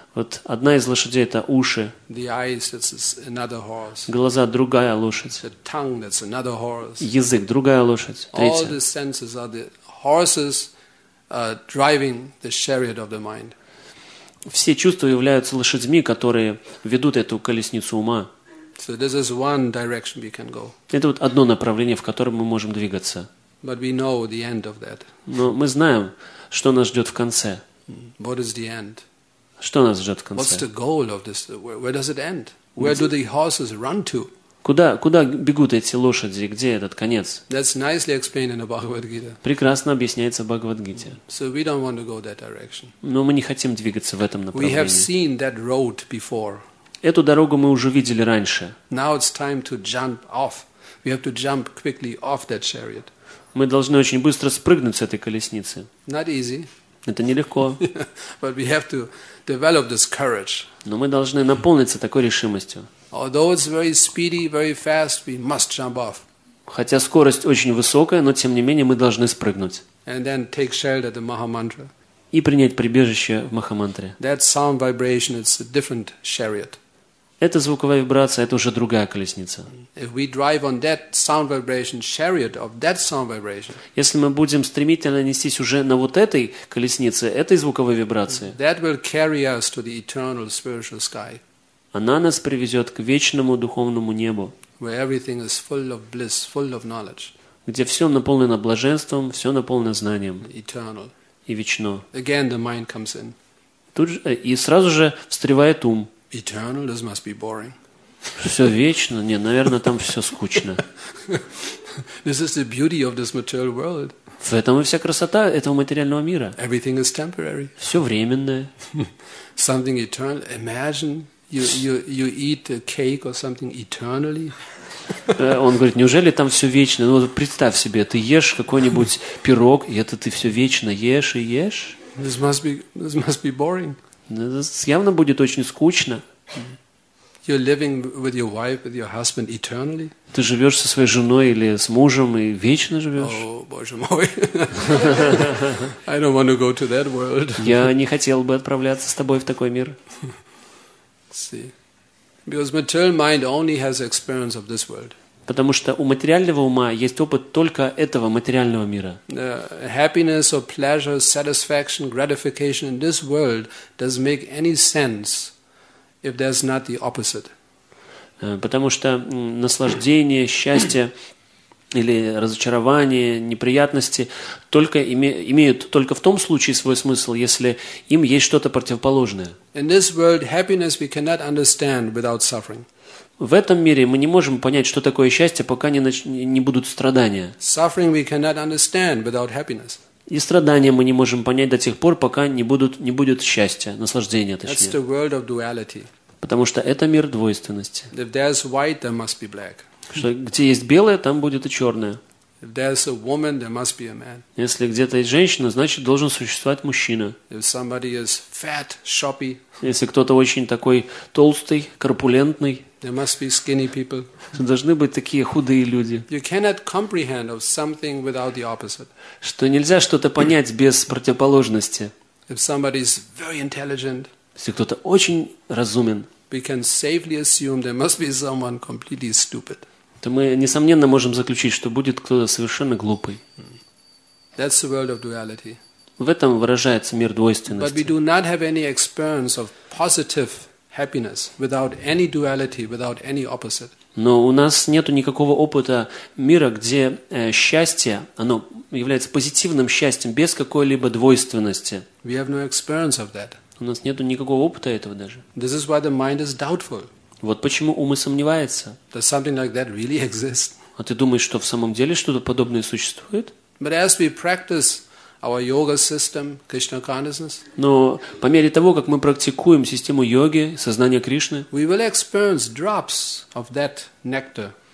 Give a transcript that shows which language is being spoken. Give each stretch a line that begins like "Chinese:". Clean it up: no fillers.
Russian: Вот одна из лошадей – это уши.
English: The eyes, this is another horse.
Russian: Глаза – другая лошадь.
English: The tongue, that's another horse.
Russian: Язык – другая лошадь. Третья.
English: All the senses are the horses driving the chariot of the mind.
Russian: Все чувства являются лошадьми, которые ведут эту колесницу ума.
English: So this is one direction we can go.
Russian: Это вот одно направление, в котором мы можем двигаться.
English: But we know the end of that.
Russian: Но мы знаем, что нас ждет в конце.
English: What is the end?
Russian: Что нас ждет в конце?
English: What's the goal of this? Where does it end? Where do the horses run to?
Russian: Куда бегут эти лошади? Где этот конец?
English: That's nicely explained in the Bhagavad Gita.
Russian: Прекрасно объясняется в Бхагавад-гите.
English: So we don't want to go that direction.
Russian: Но мы не хотим двигаться в этом направлении.
English: We have seen that road before.
Russian: Эту дорогу мы уже видели раньше.
English: Now it's time to jump off. We have to jump quickly off that chariot.
Russian: Мы должны очень быстро спрыгнуть с этой колесницы.
English: Not easy.
Russian: Это нелегко.
English: But we have to develop this courage.
Russian: Но мы должны наполниться такой решимостью.
English: Although it's very speedy, very fast, we must jump off.
Russian: Хотя скорость очень высокая, но тем не менее мы должны спрыгнуть.
English: And then take shelter the Mahamantra.
Russian: И принять прибежище в Махамантре.
English: That sound vibration, it's a different chariot.
Russian: Это звуковая вибрация, это уже другая колесница.
English: If we drive on that sound vibration, chariot of that sound vibration.
Russian: Если мы будем стремительно нестись уже на вот этой колеснице, этой звуковой вибрации.
English: That will carry us to the eternal spiritual sky.
Russian: Она нас привезет к вечному духовному небу.
English: Where everything is full of bliss, full of knowledge.
Russian: Где все наполнено блаженством, все наполнено знанием.
English: Eternal.
Russian: И вечно.
English: Again, the mind comes in.
Russian: Тут же, и сразу же встревает ум.
English: Eternal, this must be boring.
Russian: Все вечно? Нет, наверное, там все скучно.
English: This is the beauty of this material world.
Russian: В этом и вся красота этого материального мира.
English: Everything is temporary.
Russian: Все временное.
English: Something eternal. Imagine you eat a cake or something eternally.
Russian: Он говорит, неужели там все вечно? Ну, представь себе, ты ешь какой-нибудь пирог, и это ты все вечно ешь и ешь.
English: This must be boring.
Russian: Это явно будет очень скучно.
English: You're living with your wife, with your husband eternally?
Russian: Ты живешь со своей женой или с мужем и вечно живешь? О, боже мой.
English: I don't want to go to that world.
Russian: Я не хотел бы отправляться с тобой в такой мир.
English: See. Because material mind only has experience of this world.
Russian: Потому что у материального ума есть опыт только этого материального мира.
English: Happiness or pleasure, satisfaction, gratification in this world doesn't make any sense if there's not the opposite.
Russian: Потому что наслаждение, счастье или разочарование, неприятности только имеют только в том случае свой смысл, если им есть что-то противоположное.
English: In this world, happiness we cannot understand without suffering.
Russian: В этом мире мы не можем понять, что такое счастье, пока не будут страдания.
English: Suffering we cannot understand without happiness.
Russian: И страдания мы не можем понять до тех пор, пока не будет счастья, наслаждения, точнее.
English: That's the world of duality.
Russian: Потому что это мир двойственности.
English: If there's white, there must be black.
Russian: Что, где есть белое, там будет и черное.
English: If there's a woman, there must be a man.
Russian: Если где-то есть женщина, значит должен существовать мужчина.
English: If somebody is fat, shoppy,
Russian: если кто-то очень такой толстый, корпулентный,
English: there must be skinny people.
Russian: Должны быть такие худые люди.
English: You cannot comprehend of something without the opposite.
Russian: Что нельзя что-то понять без противоположности.
English: If somebody is very intelligent,
Russian: если кто-то очень разумен,
English: we can safely assume there must be someone completely stupid.
Russian: То мы, несомненно, можем заключить, что будет кто-то совершенно глупый.
English: That's the world of duality.
Russian: В этом выражается мир двойственности.
English: But we do not have any experience of positive happiness without any duality, without any opposite.
Russian: Но у нас нет никакого опыта мира, где счастье, оно является позитивным счастьем без какой-либо двойственности.
English: We have no experience of that.
Russian: У нас нет никакого опыта этого даже.
English: This is why the mind is doubtful.
Russian: Вот почему ум и сомневается.
English: Does something like that really exist?
Russian: А ты думаешь, что в самом деле что-то подобное существует?
English: But as we practice our yoga system, Krishna consciousness,
Russian: но по мере того, как мы практикуем систему йоги, сознание Кришны,
English: we will experience drops of that nectar,